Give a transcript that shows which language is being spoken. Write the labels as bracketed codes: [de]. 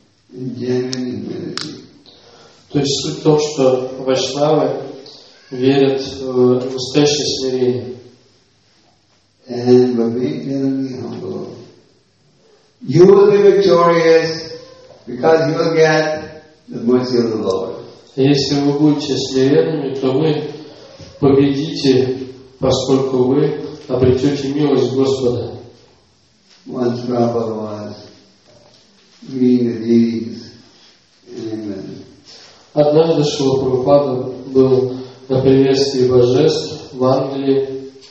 [ru] То есть суть в том, что вайшнавы верят в настоящее смирение. [en] And by being humble, you will be victorious because you will get the mercy of the Lord. [ru] Если вы будете смиренными, то вы победите, поскольку вы обретете милость Господа. [en] Once Prabhupada was reading the deities in England. [ru] Однажды Шрила Прабхупада был на приветствии божеств в Англии.